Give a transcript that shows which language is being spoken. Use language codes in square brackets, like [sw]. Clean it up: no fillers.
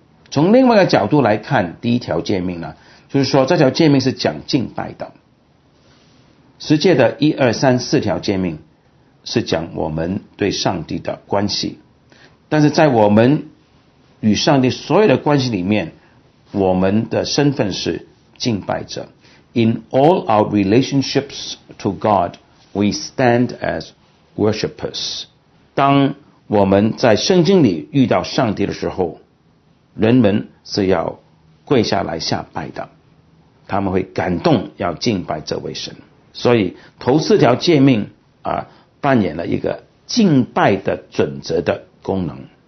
[zh] 从另外一个角度来看，第一条诫命呢，就是说这条诫命是讲敬拜的。十诫的一二三四条诫命是讲我们对上帝的关系，但是在我们与上帝所有的关系里面，我们的身份是敬拜者。 [en] In all our relationships to God, we stand as worshippers. [zh] 当我们在圣经里遇到上帝的时候，人们是要跪下来下拜的，他们会感动要敬拜这位神。所以头四条诫命啊，扮演了一个敬拜的准则的功能。